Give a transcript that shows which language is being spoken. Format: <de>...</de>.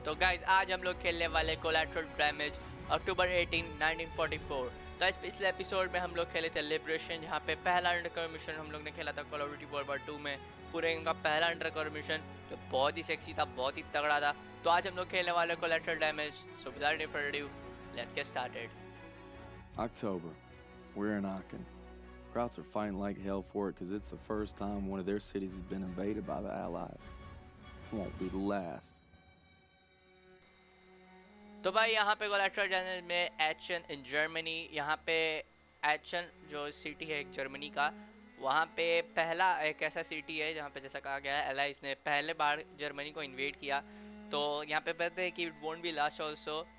<hi>तो गाइस आज हम लोग खेलने वाले कोलैटरल डैमेज अक्टूबर 18, 1944. तो इस पिछले एपिसोड में हम लोग खेले थे लिबरेशन, जहाँ पे पहला अंडरकवर मिशन हम लोग ने खेला था call of duty world war 2 में. पूरे इनका पहला अंडरकवर मिशन जो बहुत ही सेक्सी था, बहुत ही तगड़ा था. तो आज हम लोग खेलने वाले collateral damage.</hi> <en>So without any further ado, let's get started. October. We're in Aachen. Krauts are fighting like hell for it because it's the first time one of their cities has been invaded by the Allies. It won't be the last.</en> <hi>तो भाई यहाँ पे collateral damage में action in Germany. यहाँ पे action जो city है एक जर्मनी का, वहाँ पे पहला एक ऐसा सिटी है जहाँ पे जैसा कहा गया है एलाइज ने पहले बार जर्मनी को इन्वेड किया. तो यहाँ पे कहते हैं कि</hi> <en>It won't be last also.</en>